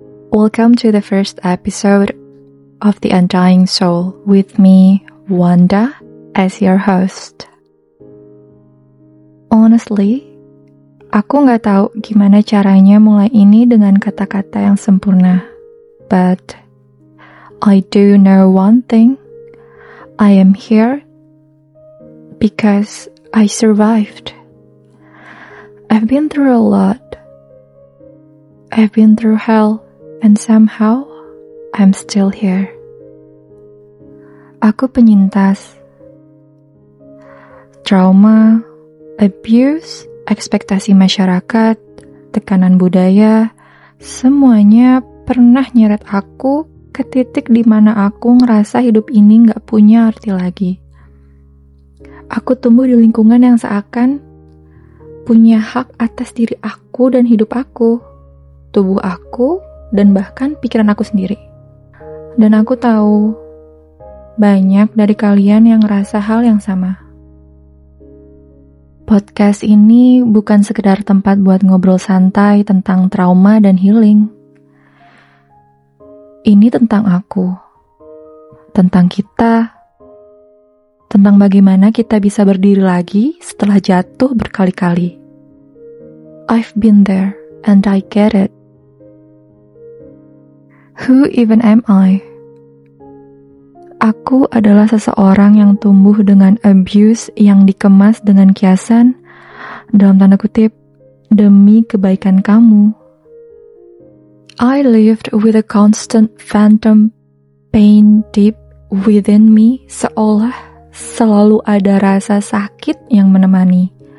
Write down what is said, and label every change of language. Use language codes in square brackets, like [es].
[en] Welcome to the first episode of The Undying Soul with me, Wanda, as your host. Honestly, [id] aku gak tahu gimana caranya mulai ini dengan kata-kata yang sempurna. [en] But I do know one thing. I am here because I survived. I've been through a lot. I've been through hell, and somehow, I'm still here. [id] Aku penyintas. Trauma, abuse, ekspektasi masyarakat, tekanan budaya, semuanya pernah nyeret aku ke titik di mana aku ngerasa hidup ini gak punya arti lagi. Aku tumbuh di lingkungan yang seakan punya hak atas diri aku dan hidup aku. Tubuh aku, dan bahkan pikiran aku sendiri. Dan aku tahu, banyak dari kalian yang ngerasa hal yang sama. Podcast ini bukan sekedar tempat buat ngobrol santai tentang trauma dan healing. Ini tentang aku. Tentang kita. Tentang bagaimana kita bisa berdiri lagi setelah jatuh berkali-kali. [en] I've been there, and I get it. Who even am I? [id] Aku adalah seseorang yang tumbuh dengan abuse yang dikemas dengan kiasan, dalam tanda kutip, demi kebaikan kamu. [en] I lived with a constant phantom pain deep within me, [id] seolah selalu ada rasa sakit yang menemani.